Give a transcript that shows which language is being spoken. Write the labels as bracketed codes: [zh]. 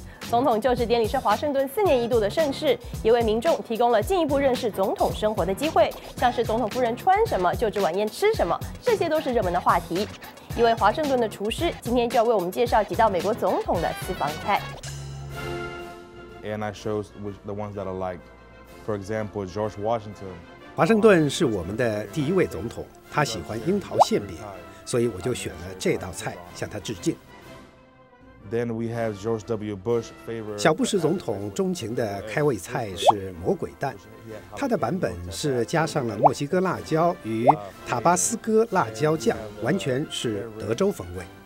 [zh] 总统就职典礼是华盛顿4年一度的盛事，也为民众提供了进一步认识总统生活的机会，像是总统夫人穿什么，就职晚宴吃什么，这些都是热门的话题。一位华盛顿的厨师今天就要为我们介绍几道美国总统的私房菜。 [en] and I chose the ones that I like. For example, George Washington. [zh] 华盛顿是我们的第一位总统，他喜欢樱桃馅饼，所以我就选了这道菜向他致敬。 [en] Then we have George W. Bush's favorite. [zh] 小布什总统钟情的开胃菜是魔鬼蛋，它的版本是加上了墨西哥辣椒与塔巴斯哥辣椒酱，完全是德州风味。